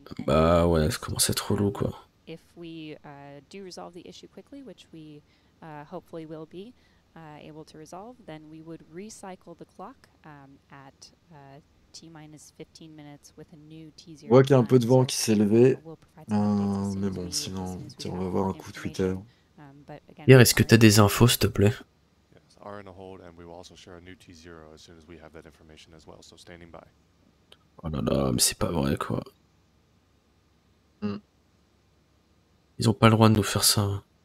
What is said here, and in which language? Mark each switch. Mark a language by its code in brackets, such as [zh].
[fr] Bah ouais, ça commence à être relou, quoi. [en] If we do resolve the issue quickly, which we hopefully will be able to resolve, then we would recycle the clock at T-minus 15 minutes with a new T0. [fr] Ouais, qu'il y a un peu de vent qui s'est levé. Mais bon, sinon, on va avoir un coup Twitter. Pierre, est-ce que tu as des infos, s'il te plaît? [en] Yes, are in a hold, and we will also share a new T0 as soon as we have that information as well, so standing by. [fr] Oh là là, mais c'est pas vrai, quoi. Ils ont pas le droit de nous faire ça.